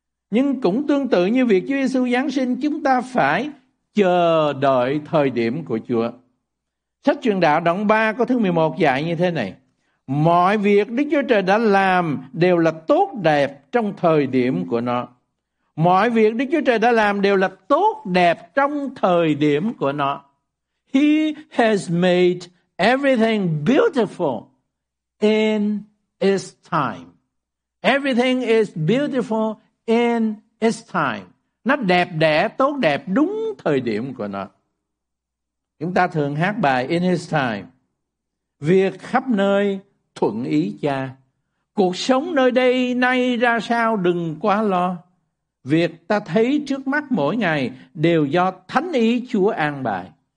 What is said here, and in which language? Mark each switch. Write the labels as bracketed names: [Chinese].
[Vietnamese] Nhưng cũng tương tự như việc Chúa Giêsu giáng sinh, chúng ta phải chờ đợi thời điểm của Chúa. Sách Truyền Đạo đoạn 3 câu thứ 11 dạy như thế này: mọi việc Đức Chúa Trời đã làm đều là tốt đẹp trong thời điểm của nó. Mọi việc Đức Chúa Trời đã làm đều là tốt đẹp trong thời điểm của nó. [English] He has made everything beautiful in its time. Everything is beautiful in its time. [Vietnamese] Nó đẹp đẽ, tốt đẹp đúng thời điểm của nó. Chúng ta thường hát bài In His Time. Việc khắp nơi thuận ý cha. Cuộc sống nơi đây nay ra sao đừng quá lo. Việc ta thấy trước mắt mỗi ngày đều do thánh ý Chúa an bài.